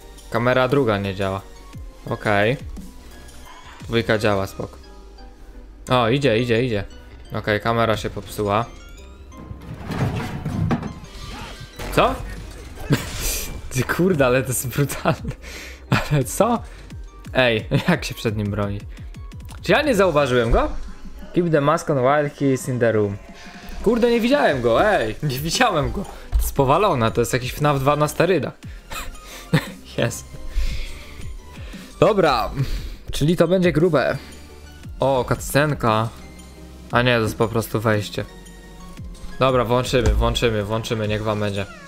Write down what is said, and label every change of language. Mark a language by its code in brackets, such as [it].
[pl] Kamera druga nie działa. Okej. Dwójka działa, spok. O, idzie. Okej, kamera się popsuła. Co? Ty kurde, ale to jest brutalne. Ale co? Ej, jak się przed nim broni? Czy ja nie zauważyłem go? [en] Keep the mask on while he is in the room. [pl] Kurde, nie widziałem go, ej! Nie widziałem go. To jest powalone, to jest jakiś FNAF 2 na sterydach. Jest. Dobra, czyli to będzie grube. O, cutscenka. A nie, to jest po prostu wejście. Dobra, włączymy, niech wam będzie.